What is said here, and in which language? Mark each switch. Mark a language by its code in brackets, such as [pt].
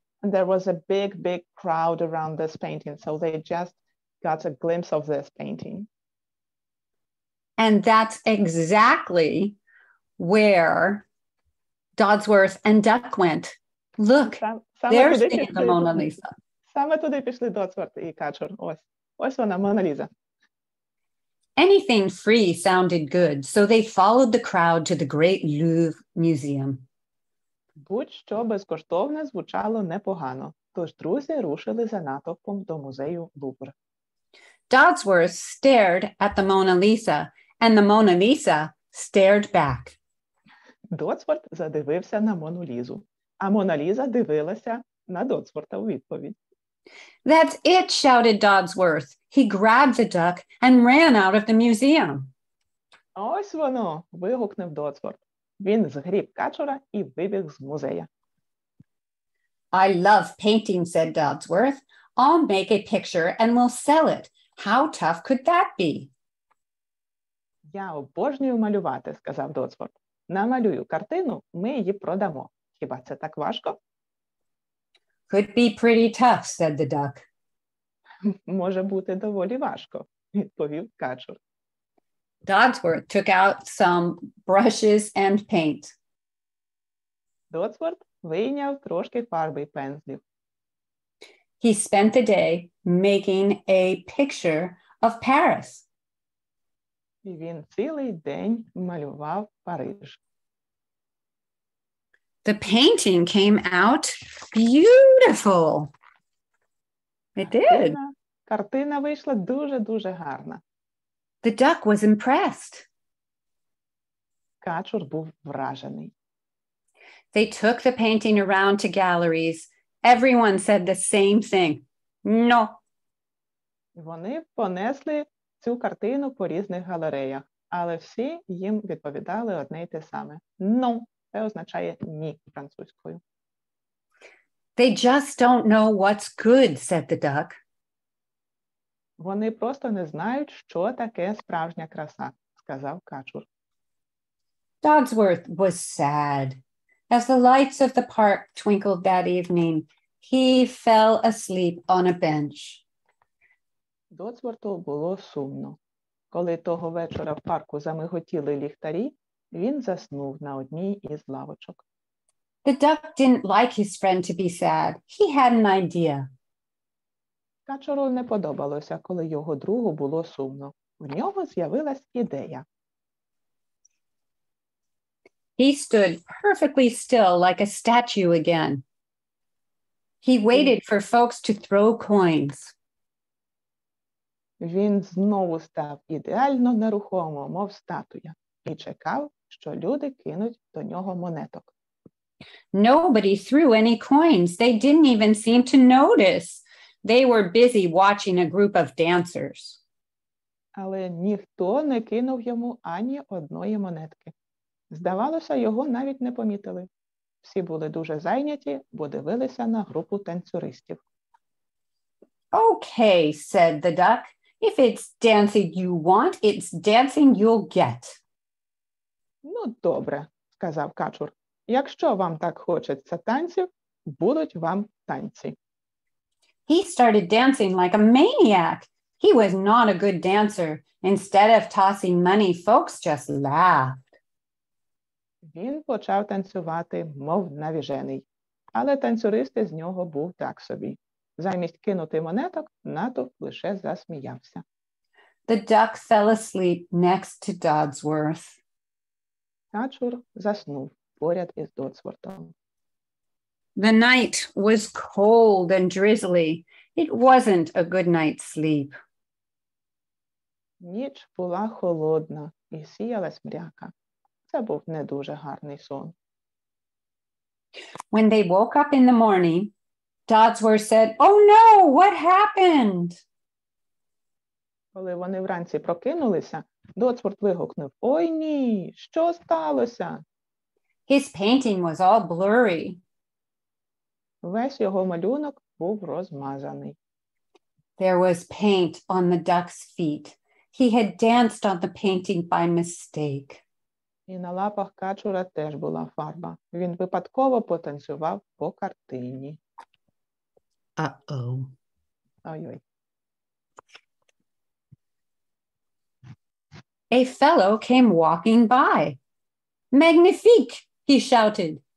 [en] And there was a big, big crowd around this painting, so they just got a glimpse of this painting. And that's exactly where Dodsworth and Duck went. Look, they're seeing the Mona Lisa. [uk] Саме туди пішли Додсворт і Качур. Ось вона, Мона Ліза. [en] Anything free sounded good, so they followed the crowd to the great Louvre Museum. [uk] Будь-що безкоштовне звучало непогано, тож друзі рушили за натовпом до музею Лувр. [en] Dodsworth stared at the Mona Lisa, and the Mona Lisa stared back. [uk] Додсворт задивився на Мону Лізу, а Мона Ліза дивилася на Додсворта у відповідь. [en] That's it, shouted Dodsworth. He grabbed the duck and ran out of the museum. [uk] Ось воно, вигукнув Додсворт. Він згріб качура і вибіг з музею. [en] I love painting, said Dodsworth. I'll make a picture and we'll sell it. How tough could that be? [uk] Я обожнюю малювати, сказав Додсворт. Намалюю картину, ми її продамо. Хіба це так важко? [en] Could be pretty tough, said the duck. [uk] Може бути доволі важко, відповів качур. [en] Dodsworth took out some brushes and paint. [uk] Dodsworth вийняв трошки фарби і пензлів. [en] He spent the day making a picture of Paris. [uk] Він цілий день малював Париж. [en] The painting came out beautiful. It did. [uk] Картина вийшла дуже-дуже гарна. [en] The duck was impressed. [uk] Качур був вражений. [en] They took the painting around to galleries. Everyone said the same thing. No. [uk] Вони понесли цю картину по різних галереях, але всі їм відповідали одне й те саме. [en] No. [uk] Це означає ні французькою. [en] They just don't know what's good, said the duck. [uk] Вони просто не знають, що таке справжня краса, сказав качур. [en] Dodsworth was sad. As the lights of the park twinkled that evening, he fell asleep on a bench. [uk] Додсворту було сумно. Коли того вечора в парку замиготіли ліхтарі, він заснув на одній із лавочок. [en] The duck didn't like his friend to be sad. He had an idea. [uk] Качору не подобалося, коли його другу було сумно. У нього з'явилась ідея. [en] He stood perfectly still like a statue again. He waited for folks to throw coins. [uk] Він знову став ідеально нерухомо, мов статуя, і чекав, що люди кинуть до нього монеток. [en] Nobody threw any coins. They didn't even seem to notice. They were busy watching a group of dancers. [uk] Але ніхто не кинув йому ані одної монетки. Здавалося, його навіть не помітили. Всі були дуже зайняті, бо дивилися на групу танцюристів. [en] Okay, said the duck. If it's dancing you want, it's dancing you'll get. [uk] Ну, добре, сказав качур. Якщо вам так хочеться танців, будуть вам танці. [en] He started dancing like a maniac. He was not a good dancer. Instead of tossing money, folks just laughed. [uk] Він почав танцювати, мов навіжений. Але танцюристи з нього був так собі. Замість кинути монеток, натовп лише засміявся. [en] The duck fell asleep next to Dodsworth. [uk] Качур заснув поряд із Додсвортом. [en] The night was cold and drizzly. It wasn't a good night's sleep. [uk] Ніч була холодна і сіялась мряка. Це був не дуже гарний сон. [en] When they woke up in the morning, Dodsworth said, "Oh no, what happened?" [uk] Коли вони вранці прокинулися, Додсворт вигукнув: "Ой ні, що сталося?" [en] His painting was all blurry. [uk] Весь його малюнок був розмазаний. [en] There was paint on the duck's feet. He had danced on the painting by mistake. [uk] І на лапах качура теж була фарба. Він випадково потанцював по картині. Uh-oh. Ой-ой. [en] A fellow came walking by. Magnifique, he shouted.